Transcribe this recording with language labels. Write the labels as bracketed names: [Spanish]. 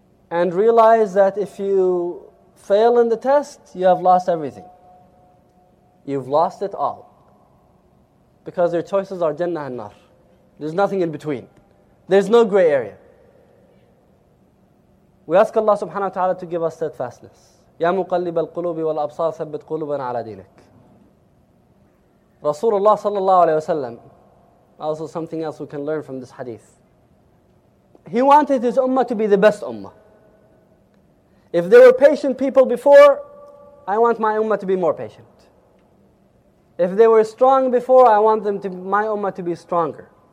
[English] And realize that if you fail in the test, you have lost everything. You've lost it all. Because your choices are Jannah and Nar. There's nothing in between. There's no gray area. We ask Allah subhanahu wa ta'ala to give us steadfastness. [Arabic] يا مقلب القلوب والأبصار ثبت قلوبنا على دينك. رسول الله صلى الله عليه وسلم. [English] Also something else we can learn from this hadith. He wanted his ummah to be the best ummah. If there were patient people before, I want my ummah to be more patient. If they were strong before, I want my ummah to be stronger.